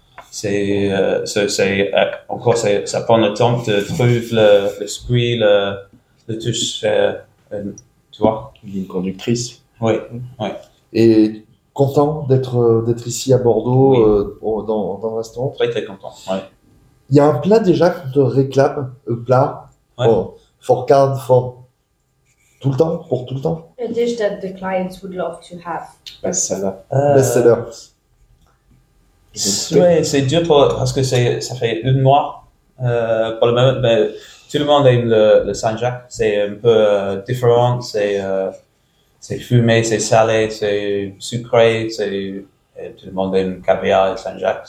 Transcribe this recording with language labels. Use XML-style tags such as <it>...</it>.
<fr>Ça prend le temps de trouver l'esprit, le touche, tu vois. Une conductrice. Oui, oui. Et content d'être ici à Bordeaux, oui. dans le restaurant. Très, très content, oui. Il y a un plat déjà qu'on te réclame, un plat, ouais.</fr> <en>For card, for...</en> <fr>Tout le temps, pour tout le temps.</fr> <en>A dish that the clients would love to have. Best-seller.</en> <fr>Oui, c'est dur parce que ça fait un mois pour le moment, mais tout le monde aime le Saint-Jacques. C'est un peu différent, c'est fumé, c'est salé, c'est sucré, et tout le monde aime caviar et Saint-Jacques.</fr>